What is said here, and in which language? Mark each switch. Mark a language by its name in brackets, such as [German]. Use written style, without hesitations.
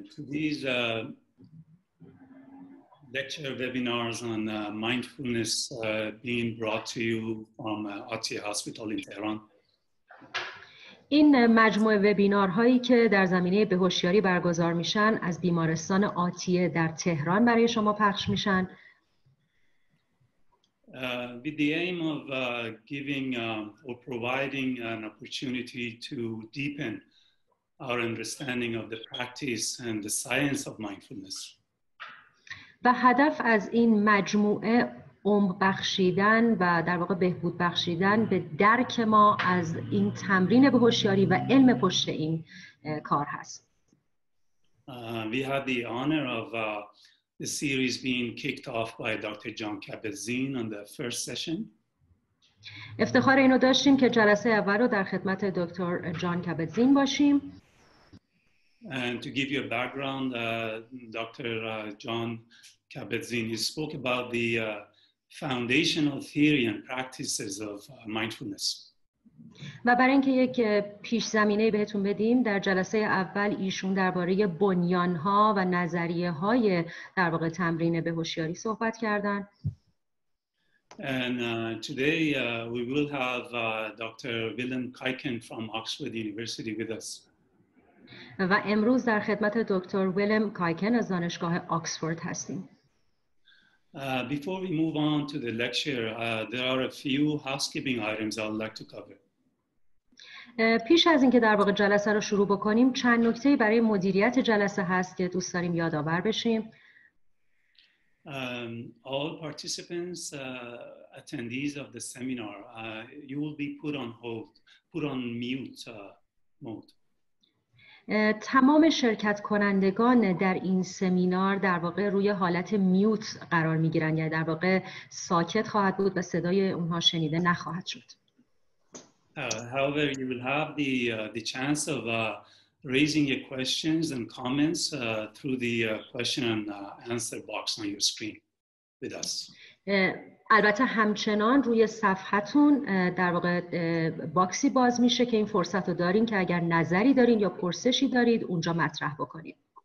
[English] These lecture webinars on mindfulness being brought to you from Atiye Hospital in Tehran. [Persian] این مجموعه وبینارهایی که در زمینه بهوشیاری برگزار میشن از بیمارستان آتیه در تهران برای شما پخش میشن. [English] With the aim of giving or providing an opportunity to deepen our understanding of the practice and the science of mindfulness. [Persian] و هدف از این مجموعه عمق بخشیدن و در واقع بهبود بخشیدن به درک ما از این تمرین بهوشیاری و علم پشت این کار هست. [English] We had the honor of the series being kicked off by Dr. John Kabat-Zinn on the first session. [Persian] افتخار اینو داشتیم که جلسه اول رو در خدمت دکتر جان کابت‌زین باشیم. [English] And to give you a background, Dr. John Kabat-Zinn, he spoke about the foundational theory and practices of mindfulness. [Persian] و برای اینکه یک پیش زمینه بهتون بدیم، در جلسه اول ایشون درباره بنیان‌ها و نظریه‌های در واقع تمرین بهوشیاری صحبت کردن. [English] And today we will have Dr. Willem Kuyken from Oxford University with us. [Persian] و امروز در خدمت دکتر ویلم کایکن از دانشگاه آکسفورد هستیم. [English] Before we move on to the lecture, there are a few housekeeping items I'd like to cover. [Persian] پیش از اینکه در واقع جلسه رو شروع بکنیم، چند نکته‌ای برای مدیریت جلسه هست که دوست داریم یادآور بشیم. [English] All participants attendees of the seminar you will be put on hold, put on mute mode. [Persian] تمام شرکت کنندگان در این سمینار در واقع روی حالت میوت قرار می گیرند، یعنی در واقع ساکت خواهد بود و صدای اونها شنیده نخواهد شد. [English] However, you will have the chance of raising your questions and comments through the question and answer box on your screen with us. [Persian] البته همچنان روی صفحتون در واقع باکسی باز میشه که این فرصت رو دارین که اگر نظری دارین یا پرسشی دارید اونجا مطرح بکنید.